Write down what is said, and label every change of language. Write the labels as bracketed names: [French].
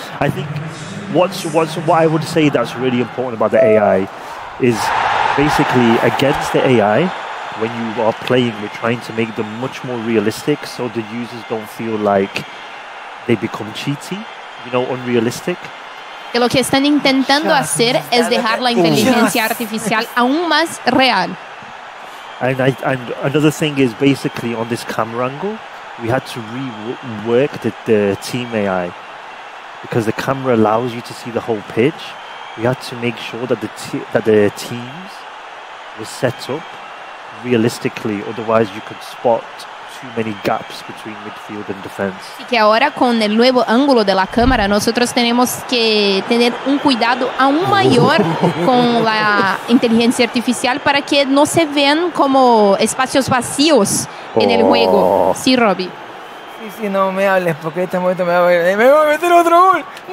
[English] I think what I would say that's really important about the AI is basically against the AI, when you are playing, we're trying to make them much more realistic so the users don't feel like they become cheaty, you know, unrealistic. [Spanish] Que lo que están intentando [English] just [Spanish] hacer es dejar la inteligencia artificial aún más real. [English] And another thing is basically on this camera angle, we had to rework the team AI because the camera allows you to see the whole pitch. We had to make sure that the teams were set up realistically, otherwise you could spot too many gaps between midfield and defense. [Spanish] Y que ahora con el nuevo ángulo de la cámara, nosotros tenemos que tener un cuidado aún mayor con la inteligencia artificial para que no se vean como espacios vacíos en el juego. Sí, Robbie. Sí, no me hables porque en este momento me va a meter. ¡Me voy a meter otro gol!